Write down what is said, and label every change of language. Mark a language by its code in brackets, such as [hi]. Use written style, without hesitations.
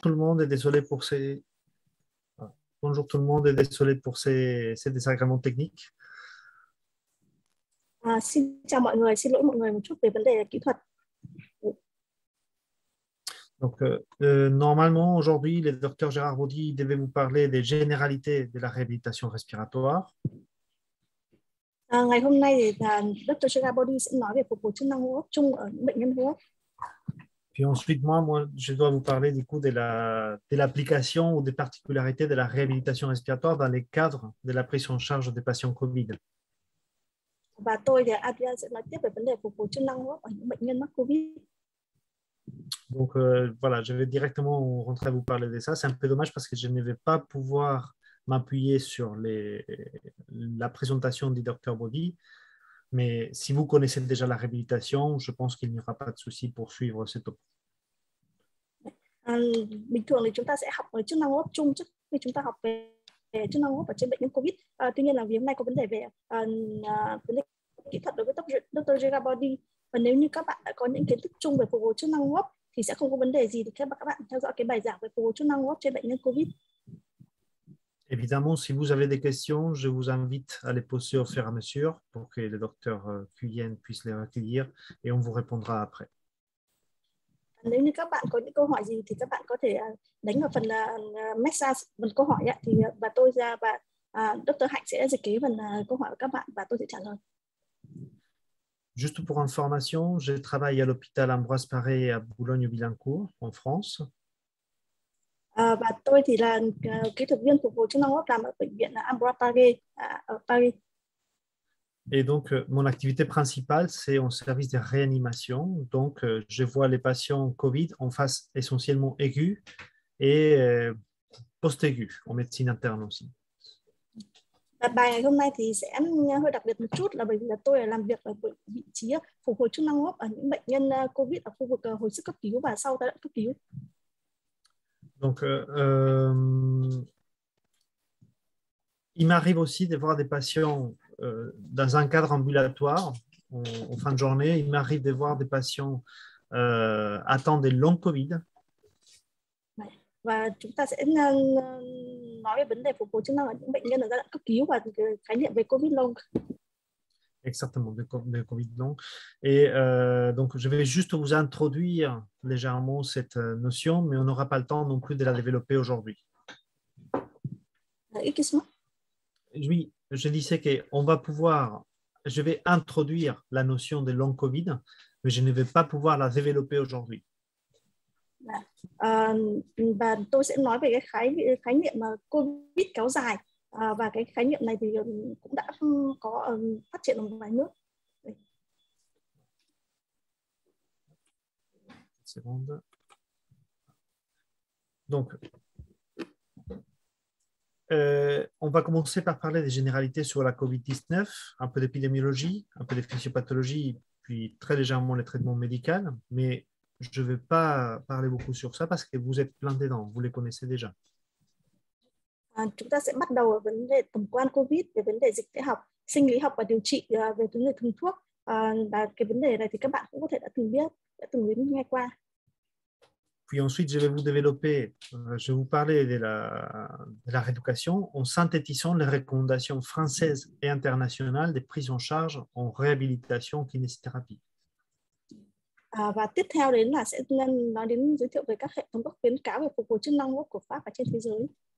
[fr] Tout le monde est désolé pour ces. Bonjour tout le monde est désolé pour ces désagréments techniques. [vi] à, xin chào mọi người, xin lỗi mọi người một chút về vấn đề kỹ thuật. [fr] Donc, normalement, aujourd'hui, le docteur Gérard Baudy devait vous parler des généralités de la réhabilitation respiratoire. [vi] À, ngày hôm nay, Dr. Gérard Baudy sẽ nói về phục hồi chức năng hô hấp chung ở những bệnh nhân hô hấp. [fr] Puis ensuite, moi, je dois vous parler du coup de l'application ou des particularités de la réhabilitation respiratoire dans les cadres de la prise en charge des patients COVID. [vi] Và tôi thì Adrian sẽ nói tiếp về vấn đề phục hồi chức năng hô hấp ở những bệnh nhân mắc COVID. [fr] Donc voilà, je vais directement rentrer à vous parler de ça. C'est un peu dommage parce que je ne vais pas pouvoir m'appuyer sur la présentation du docteur Baudy. Mais si vous connaissez déjà la réhabilitation, je pense qu'il n'y aura pas de souci pour suivre cette option. [vi] Bình thường thì chúng ta sẽ học về chức năng hô hấp chung trước khi chúng ta học về chức năng hô hấp ở trên bệnh nhân COVID. Tuy nhiên là vì hôm nay có vấn đề về vấn đề kỹ thuật đối với Dr. Gérard Baudy. Và nếu như các bạn đã có những kiến thức chung về phục hồi chức năng hô hấp thì sẽ không có vấn đề gì để các bạn theo dõi cái bài giảng về phục hồi chức năng hô hấp trên bệnh nhân COVID. [fr] Évidemment, si vous avez des questions, je vous invite à les poser au fur et à mesure pour que le docteur Cuyenne puisse les recueillir et on vous répondra après. [vi] Nếu như các bạn có những câu hỏi gì thì các bạn có thể đánh vào phần message phần câu hỏi thì và tôi ra và Dr. Hạnh sẽ dịch ký phần câu hỏi của các bạn và tôi sẽ trả lời. [fr] Juste pour information, je travaille à l'hôpital Ambroise Paré à Boulogne-Billancourt en France. [vi] Và tôi thì là kỹ thuật viên phục hồi chức năng hô hấp làm ở bệnh viện Ambroise Paré ở Paris. [fr] Et donc mon activité principale c'est en service de réanimation. Donc je vois les patients COVID en phase essentiellement aiguë et post-aiguë en médecine interne aussi. [vi] Và bài ngày hôm nay thì sẽ hơi đặc biệt một chút là bởi vì là tôi làm việc ở vị trí phục hồi chức năng hô hấp ở những bệnh nhân COVID ở khu vực hồi sức cấp cứu và sau giai đoạn cấp cứu. [fr] Donc, il m'arrive aussi de voir des patients dans un cadre ambulatoire en fin de journée. Il m'arrive de voir des patients atteints de long COVID. [vi] Và chúng ta sẽ nói về vấn đề phục hồi chức năng ở những bệnh nhân ở giai đoạn cấp cứu và khái niệm về COVID long. [fr] Exactement, de COVID long. Et donc, je vais juste vous introduire légèrement cette notion, mais on n'aura pas le temps non plus de la développer aujourd'hui. Excuse-moi. Oui, je disais qu'on va pouvoir, je vais introduire la notion de long COVID, mais je ne vais pas pouvoir la développer aujourd'hui. [vi] Và tôi sẽ nói về cái khái niệm COVID kéo dài. Và cái khái niệm này thì cũng đã có phát triển ở một vài nước. [fr] Seconde. Donc, on va commencer par parler des généralités sur la COVID-19, un peu d'épidémiologie, un peu de physiopathologie, puis très légèrement les traitements médicaux. Mais je ne vais pas parler beaucoup sur ça parce que vous êtes plein dedans, vous les connaissez déjà. [vi] Chúng ta sẽ bắt đầu ở vấn đề tổng quan COVID, về vấn đề dịch tễ học, sinh lý học và điều trị, về vấn đề thường thuốc. Và cái vấn đề này thì các bạn cũng có thể đã từng biết, đã từng nghe qua. [fr] Puis ensuite, je vais vous développer, je vais vous parler de la rééducation en synthétisant les recommandations françaises et internationales des prises en charge en réhabilitation kinésithérapie. [vi] Và tiếp theo đến là sẽ nói đến giới thiệu về các hệ thống các khuyến cáo về phục hồi chức năng của Pháp và trên thế giới.